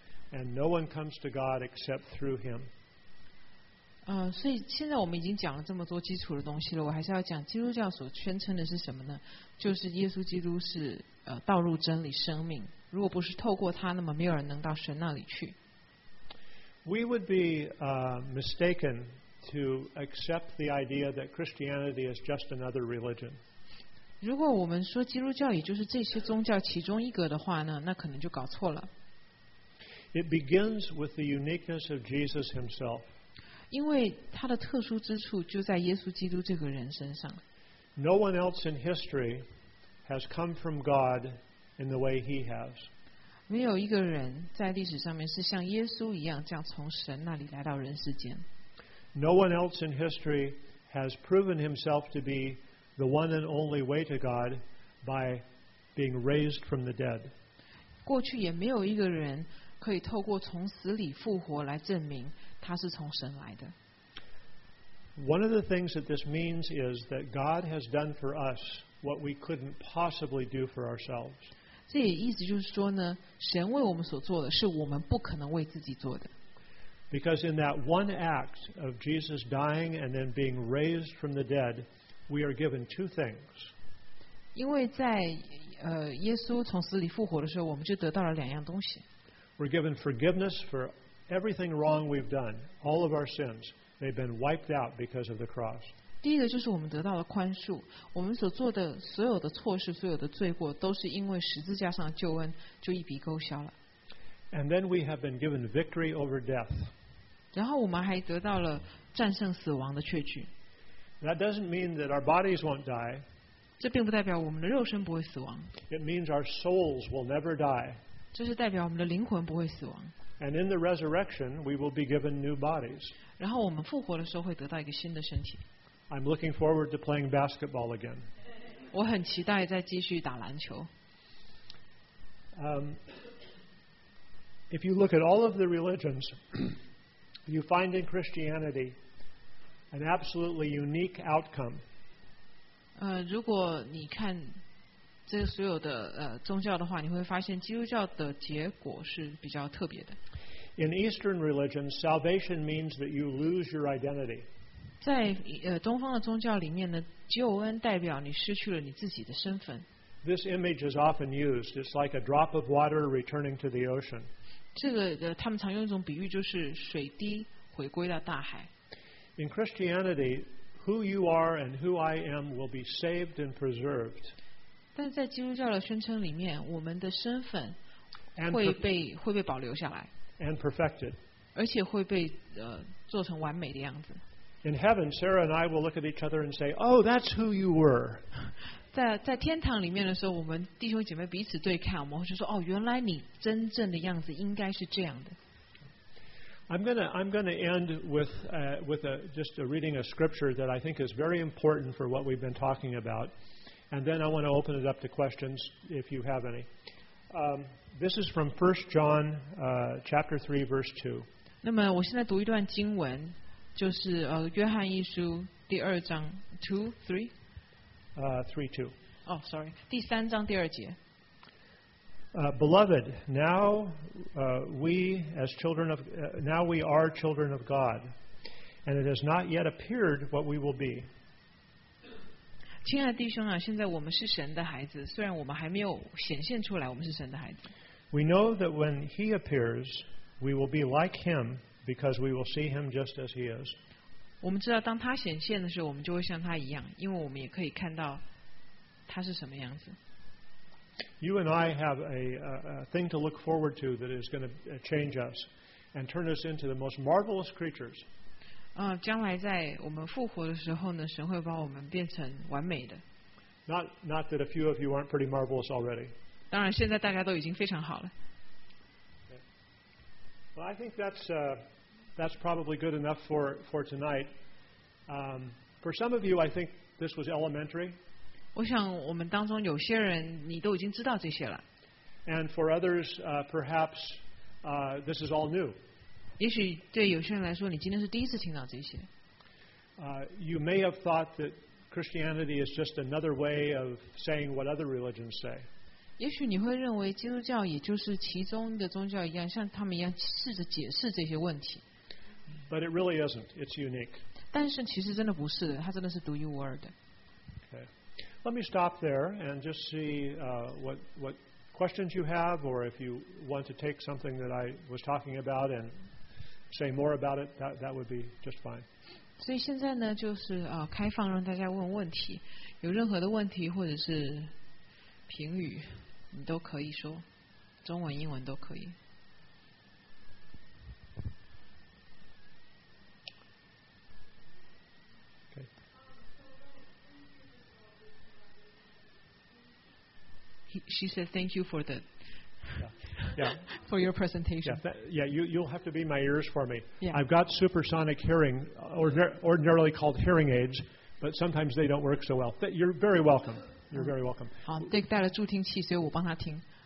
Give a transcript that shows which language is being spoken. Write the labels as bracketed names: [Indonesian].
[English] And no one comes to God except through Him. [Chinese] 所以现在我们已经讲了这么多基础的东西了，我还是要讲基督教所宣称的是什么呢？就是耶稣基督是道路、真理、生命。如果不是透过他，那么没有人能到神那里去。 [English] We would be mistaken to accept the idea that Christianity is just another religion. [Chinese] 如果我们说基督教也就是这些宗教其中一个的话呢，那可能就搞错了。 [English] It begins with the uniqueness of Jesus himself. [Chinese] 因为他的特殊之处就在耶稣基督这个人身上。 [English] No one else in history has come from God in the way he has. [Chinese] 没有一个人在历史上面是像耶稣一样这样从神那里来到人世间。 [English] No one else in history has proven himself to be the one and only way to God by being raised from the dead. [Chinese] 过去也没有一个人可以透过从死里复活来证明他是从神来的。 [English] One of the things that this means is that God has done for us what we couldn't possibly do for ourselves. [Chinese] 这也意思就是说呢，神为我们所做的是我们不可能为自己做的。 [English] Because in that one act of Jesus dying and then being raised from the dead, we are given two things. [Chinese] 因为在耶稣从死里复活的时候，我们就得到了两样东西。 [English] We're given forgiveness for everything wrong we've done, all of our sins. They've been wiped out because of the cross. [Chinese] 第一个就是我们得到了宽恕，我们所做的所有的错事、所有的罪过，都是因为十字架上的救恩就一笔勾销了。 [English] And then we have been given victory over death. [Chinese] 然后我们还得到了战胜死亡的确据。 [English] That doesn't mean that our bodies won't die. [Chinese] 这并不代表我们的肉身不会死亡。 [English] It means our souls will never die. [Chinese] 这是代表我们的灵魂不会死亡。 [English] And in the resurrection, we will be given new bodies. [Chinese] 然后我们复活的时候会得到一个新的身体。 [English] I'm looking forward to playing basketball again. [Chinese] 我很期待再继续打篮球。 [English] If you look at all of the religions, you find in Christianity an absolutely unique outcome. [Chinese] 如果你看这所有的宗教的话，你会发现基督教的结果是比较特别的。 [English] In Eastern religions, salvation means that you lose your identity. [Chinese] 在东方的宗教里面呢，救恩代表你失去了你自己的身份。 [English] This image is often used. It's like a drop of water returning to the ocean. [Chinese] 这个他们常用一种比喻，就是水滴回归到大海。 [English] In Christianity, who you are and who I am will be saved and preserved. [Chinese] 但在基督教的宣称里面，我们的身份会被保留下来。 [English] And perfected. [Chinese] 而且会被做成完美的样子。 [English] In heaven, Sarah and I will look at each other and say, "Oh, that's who you were." [Chinese] 在天堂里面的时候，我们弟兄姐妹彼此对看，我们会就说：“哦，原来你真正的样子应该是这样的。” [English] I'm gonna end with a reading a scripture that I think is very important for what we've been talking about, and then I want to open it up to questions if you have any. This is from 1 John chapter 3 verse 2. [Chinese] 那么我现在读一段经文，就是约翰一书第二章 3:2. [English] Oh, sorry. [Chinese] 第三章第二节。 [English] Beloved, now we as children of now we are children of God, and it has not yet appeared what we will be. [Chinese] 亲爱的弟兄啊，现在我们是神的孩子，虽然我们还没有显现出来，我们是神的孩子。 [English] We know that when He appears, we will be like Him because we will see Him just as He is. [Chinese] 我们知道当他显现的时候，我们就会像他一样，因为我们也可以看到他是什么样子。 [English] You and I have a thing to look forward to that is going to change us and turn us into the most marvelous creatures. [Chinese] 将来在我们复活的时候呢，神会把我们变成完美的。 [English] Not that a few of you aren't pretty marvelous already. [Chinese] 当然现在大家都已经非常好了。 [English] Well, I think that's probably good enough for tonight. For some of you, I think this was elementary. [Chinese] 我想我们当中有些人你都已经知道这些了。 [English] And for others, perhaps this is all new. [Chinese] 也许对有些人来说，你今天是第一次听到这些。 [English] You may have thought that Christianity is just another way of saying what other religions say. [Chinese] 也许你会认为基督教也就是其中的宗教一样，像他们一样试着解释这些问题。 [English] But it really isn't. It's unique. [Chinese] 但是其实真的不是，它真的是独一无二的。 [English] Okay, let me stop there and just see what questions you have, or if you want to take something that I was talking about and say more about it, that would be just fine. [Chinese] 所以现在呢，就是开放让大家问问题，有任何的问题或者是评语，你都可以说，中文、英文都可以。 [English] She said, "Thank you for the for your presentation." You'll have to be my ears for me. Yeah. I've got supersonic hearing, ordinarily called hearing aids, but sometimes they don't work so well. You're very welcome. You're very welcome. [Chinese] 好，对，带了助听器，所以我帮他听。